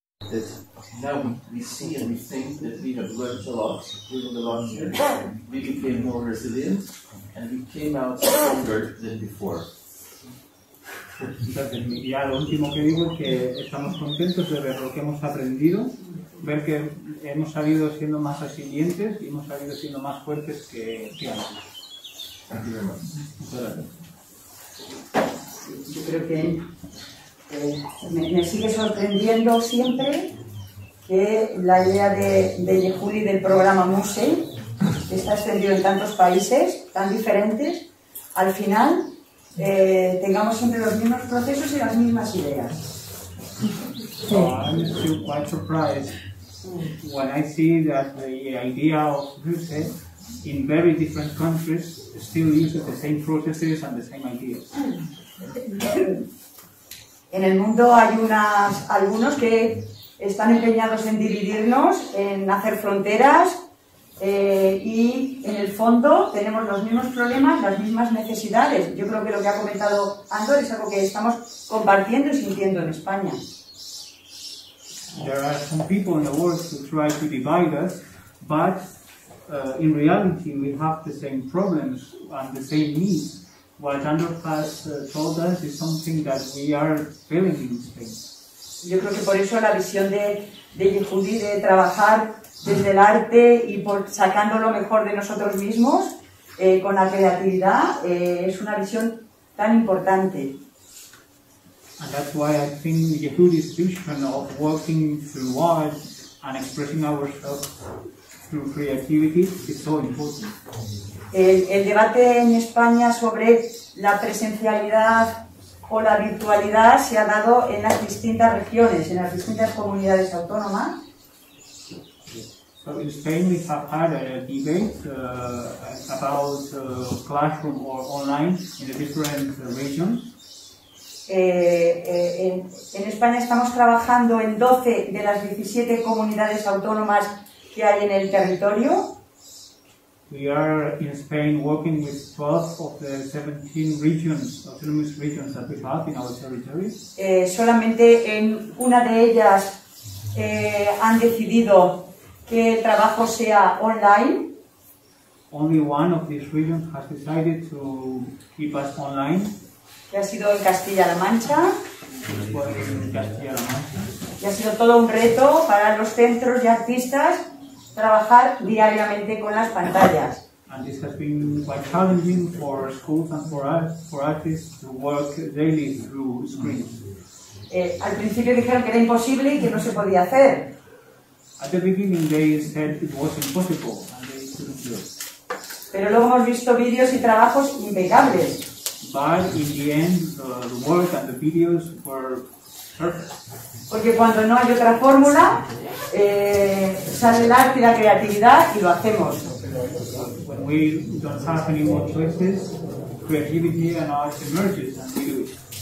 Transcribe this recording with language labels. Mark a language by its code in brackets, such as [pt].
[en] that now we see and we think that we have learned a lot during the last year. We became more resilient and we came out stronger than before. [es] Ya lo último que digo es que estamos contentos de ver lo que hemos aprendido, ver que hemos salido siendo más resilientes y hemos salido siendo más fuertes que antes. [en] Thank you very much. [es] Yo creo que me sigue sorprendiendo siempre que la idea de Yehudi del programa MUSE, que está extendido en tantos países tan diferentes, al final tengamos siempre los mismos procesos y las mismas ideas. Sí. [en] I'm quite surprised when I see that the idea of MUSE in very different countries still uses the same processes and the same ideas. [es] En el mundo hay algunos que están empeñados en dividirnos, en hacer fronteras, y en el fondo tenemos los mismos problemas, las mismas necesidades. Yo creo que lo que ha comentado Andor es algo que estamos compartiendo y sintiendo en España. [en] There are some people in the world who try to divide us, but in reality we have the same problems and the same needs. What Andor has told us is something that we are feeling in Spain. [es] Yo creo que por eso la visión de Yehudi de trabajar desde el arte y por sacando lo mejor de nosotros mismos con la creatividad es una visión tan importante. [en] And that's why I think Yehudi's vision of working through art and expressing ourselves through creativity is so important. [es] El debate en España sobre la presencialidad o la virtualidad se ha dado en las distintas regiones, en las distintas comunidades autónomas. [en] So in Spain we have had a debate about classroom or online in the different regions. [es] En España estamos trabajando en 12 de las 17 comunidades autónomas que hay en el territorio. [en] We are in Spain working with 12 of the 17 regions, autonomous regions that we have in our territory. [es] Solamente en una de ellas han decidido que el trabajo sea online. [en] Only one of these regions has decided to keep us online. [es] Que ha sido en Castilla-La Mancha. [en] Castilla-La Mancha. [es] Y ha sido todo un reto para los centros y artistas trabajar diariamente con las pantallas. [en] And this has been quite challenging for schools and for us, for artists, to work daily through screens. [es] Al principio dijeron que era imposible y que no se podía hacer. [en] At the beginning they said it was impossible and they couldn't do it. [es] Pero luego hemos visto vídeos y trabajos impecables. [en] But in the end, the work and the videos were perfect. [es] Porque cuando no hay otra fórmula, sale el arte y la creatividad y lo hacemos. [en] When we don't have any more choices, creativity and art emerges and we do it.